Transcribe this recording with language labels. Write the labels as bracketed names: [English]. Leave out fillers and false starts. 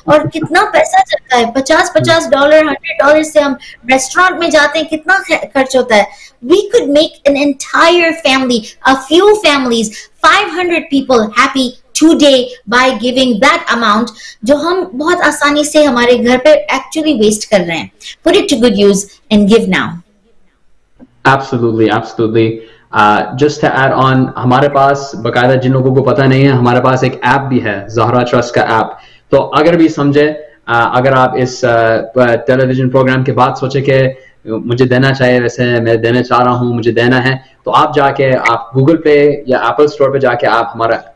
[Hindi] और कितना पैसा चलता है, $50, $100 से हम रेस्टोरेंट में जाते हैं, कितना खर्च होता है. [English] we could make an entire family, a few families, 500 people happy today by giving that amount, [Hindi] जो हम बहुत आसानी से हमारे घर पे actually waste कर रहे हैं. [English] Put it to good use and give now. Absolutely, absolutely. Just to add on, [Hindi] हमारे पास बकायदा जिन लोगों को पता नहीं है, हमारे पास एक app भी है, Zahra Trust का app. तो अगर भी समझे, अगर आप इस television program के बाद सोचे कि मुझे देना चाहिए, वैसे मैं देना चाह रहा हूँ, मुझे देना है, तो आप जाके आप Google Play या Apple Store पे जाके आप हमारा